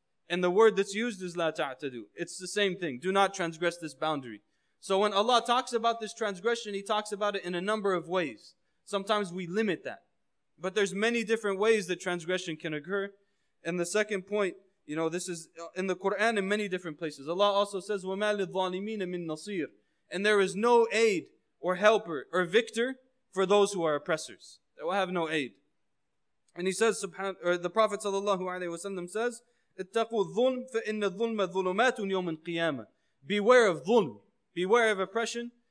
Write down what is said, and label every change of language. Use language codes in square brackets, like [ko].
[en] And the word that's used is لَا تَعْتَدُوا. It's the same thing. Do not transgress this boundary. So when Allah talks about this transgression, He talks about it in a number of ways. Sometimes we limit that. But there's many different ways that transgression can occur. And the second point, you know, this is in the Qur'an in many different places. Allah also says, [ar] وَمَا لِلظَّالِمِينَ مِن نَصِيرٍ. [en] And there is no aid or helper or victor for those who are oppressors. They will have no aid. And he says, the Prophet sallallahu alaihi wasallam says, [ar] اتَّقُوا الظُّلْمْ فَإِنَّ الظُّلْمَ ظُلُمَاتٌ يَوْمَ الْقِيَامَةِ. [en] Beware of ظُلْمْ. Beware of oppression.